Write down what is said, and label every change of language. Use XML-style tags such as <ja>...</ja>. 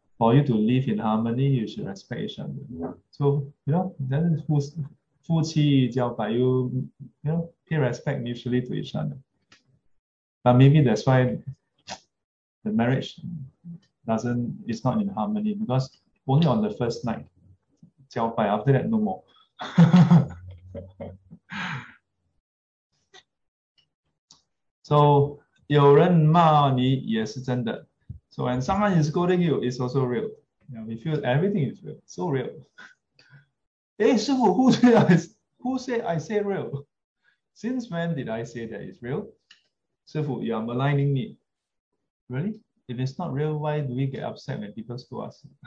<en>For you to live in harmony, you should respect each other. So, that is</en> <zh>夫妻交拜,</zh> <en>you pay respect mutually to each other. But maybe that's why the marriage is not in harmony, because only on the first night, 交拜, after that, no more.</en> <zh>So, 有人骂你也是真的.</zh> <en>So, when someone is scolding you, it's also real. We feel everything is real, so real. Hey, 师傅, who say I say real? Since when did I say that it's real? 师傅, you are maligning me. Really? If it's not real, why do we get upset when people scold us?</en>